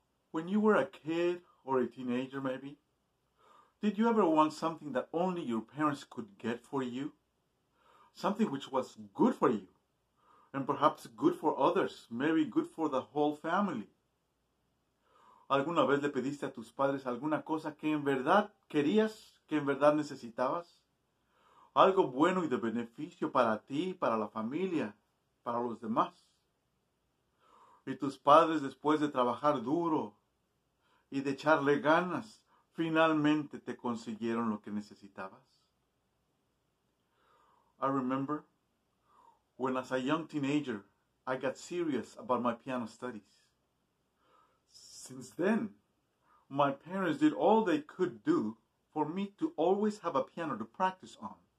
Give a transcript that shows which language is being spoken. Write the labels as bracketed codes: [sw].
[en] When you were a kid or a teenager maybe, did you ever want something that only your parents could get for you? Something which was good for you, and perhaps good for others, maybe good for the whole family. [es] ¿Alguna vez le pediste a tus padres alguna cosa que en verdad querías, que en verdad necesitabas? Algo bueno y de beneficio para ti, para la familia, para los demás. Y tus padres, después de trabajar duro y de echarle ganas, finalmente te consiguieron lo que necesitabas. [en] I remember when as a young teenager, I got serious about my piano studies. Since then, my parents did all they could do for me to always have a piano to practice on.